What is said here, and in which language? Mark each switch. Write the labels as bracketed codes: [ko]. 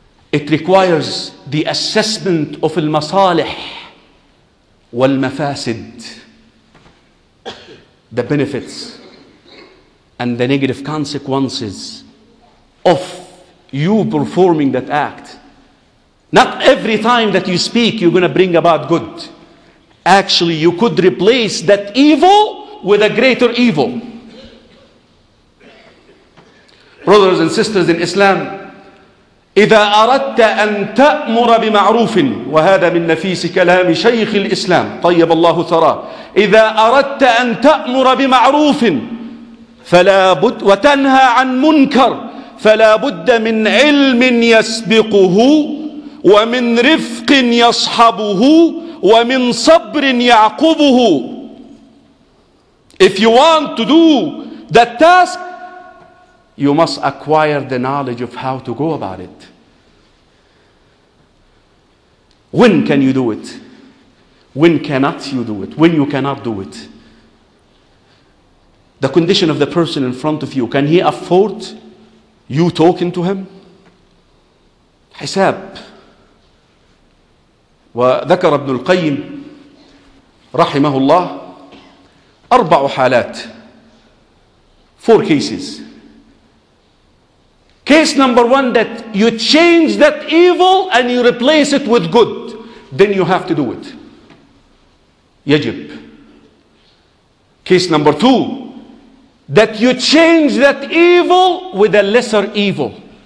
[en] It requires the assessment of al-masalih wal-mafasid, the benefits and the negative consequences of you performing that act. Not every time that you speak, you're going to bring about good. Actually, you could replace that evil with a greater evil. Brothers and sisters in Islam, [ar] إذا أردت أن تأمر بمعروف, وهذا من نفيس كلام شيخ الإسلام طيب الله ثراه, إذا أردت أن تأمر بمعروف فلا بد وتنهى عن منكر فلا بد من علم يسبقه ومن رفق يصحبه ومن صبر يعقبه. [en] If you want to do that task, you must acquire the knowledge of how to go about it. When can you do it? When cannot you do it? When you cannot do it? The condition of the person in front of you, can he afford you talking to him? [ar] حساب. وذكر ابن القيم رحمه الله أربع حالات, [en] four cases. Case number one, that you change that evil and you replace it with good. Then you have to do it. [ar] يجب. [en] Case number two, that you change that evil with a lesser evil.